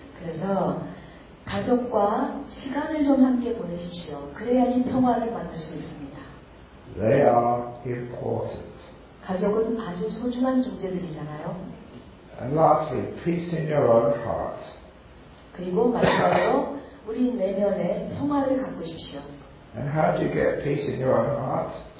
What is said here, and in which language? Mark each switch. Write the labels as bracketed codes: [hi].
[ko] 그래서가족과시간을좀함께보내십시오그래야지평화를만들수있습니다 [en] They are important. [ko] 가족은아주소중한존재들이잖아요 [en] And lastly, peace in your own heart. [ko] 그리고마지막으로우리내면에평화를갖고싶시오 [en] And how do you get peace in your own heart?